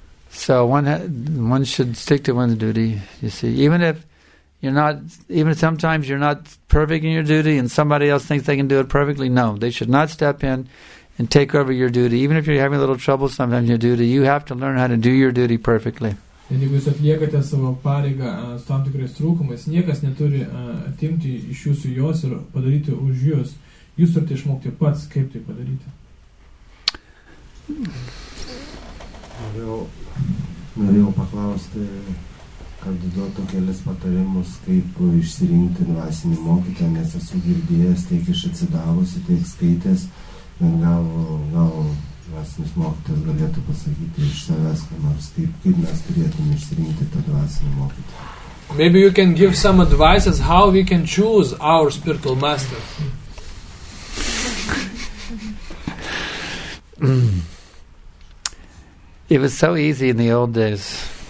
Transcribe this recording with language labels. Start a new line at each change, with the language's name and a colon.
English: So one should stick to one's duty, you see. Sometimes you're not perfect in your duty and somebody else thinks they can do it perfectly. No, they should not step in and take over your duty. Even if you're having a little trouble sometimes in your duty, you have to learn how to do your duty perfectly.
Lithuanian: Ir jeigu jūs atliekate savo pareigą su tam tikrais trūkumais, niekas neturi atimti iš jūsų jos ir padaryti už jūs. Jūs turite išmokti pats, kaip tai padaryti. Norėjau paklausti, kad duotų kelias patarimus, kaip išsirinkti dvasinį mokytą, nes esu girdėjęs tiek iš atsidavusi, tiek skaitęs, bet gal dvasinis mokytas galėtų pasakyti iš savęs, kad nors kaip mes turėtume išsirinkti tą dvasinį mokytą.
English: Maybe you can give some advices how we can choose our spiritual master. It was so easy in the old days.